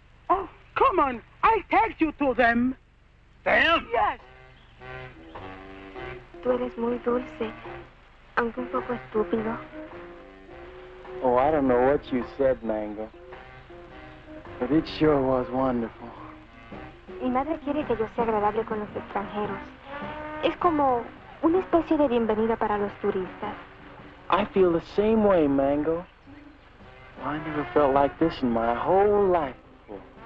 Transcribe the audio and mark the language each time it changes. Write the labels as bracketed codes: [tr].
[en] Oh, come on, I'll take you to them. Them? Yes. [es] Tú eres muy dulce, aunque un poco estúpido. [en] Oh, I don't know what you said, Mango. But it sure was wonderful. [es] Mi madre quiere que yo sea agradable con los extranjeros. Es como una especie de bienvenida para los turistas. [en] I feel the same way, Mango. Well, I never felt like this in my whole life before.